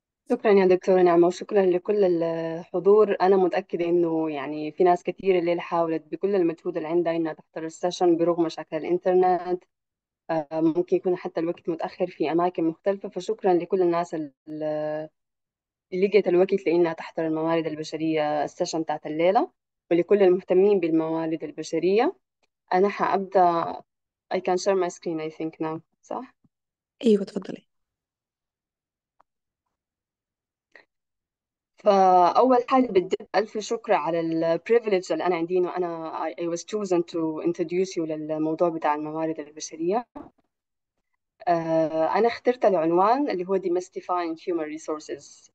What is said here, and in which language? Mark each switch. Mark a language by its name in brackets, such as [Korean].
[Arabic] شكرا يا دكتورة نعمة، وشكرا لكل الحضور. أنا متأكدة إنه يعني في ناس كثير اللي حاولت بكل المجهود اللي عندها إنها تحضر السيشن برغم مشاكل الإنترنت، ممكن يكون حتى الوقت متأخر في أماكن مختلفة. فشكرا لكل الناس اللي لقيت الوقت لإنها تحضر الموارد البشرية السيشن تاعت الليلة، ولكل المهتمين بالموارد البشرية. أنا حأبدأ. [English] I can share my screen I think now، صح؟ [Arabic] ايوه تفضلي. فأول حاجة بدي ألف شكر على الـ privilege اللي أنا عندي، وأنا [English] I was chosen to introduce you [Arabic] للموضوع بتاع الموارد البشرية. أنا اخترت العنوان اللي هو [English] demystifying human resources.